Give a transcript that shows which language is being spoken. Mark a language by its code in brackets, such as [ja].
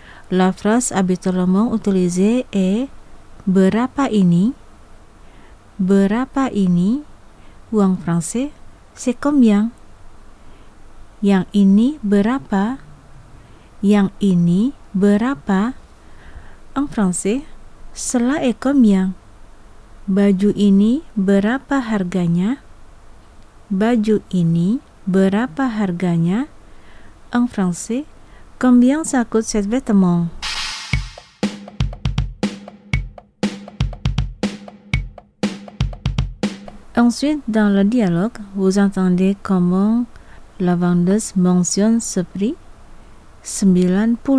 [fr] La phrase habituellement utilisée est [id] berapa ini? Berapa ini? [fr] Ou en français, c'est combien? [id] Yang ini berapa? Yang ini berapa? [fr] En français, cela est combien? [id] Baju ini berapa harganya? Baju ini berapa harganya? [fr] En français, combien ça coûte cette vêtement? Ensuite, dans le dialogue, vous entendez comment la vendeuse mentionne ce prix. 90.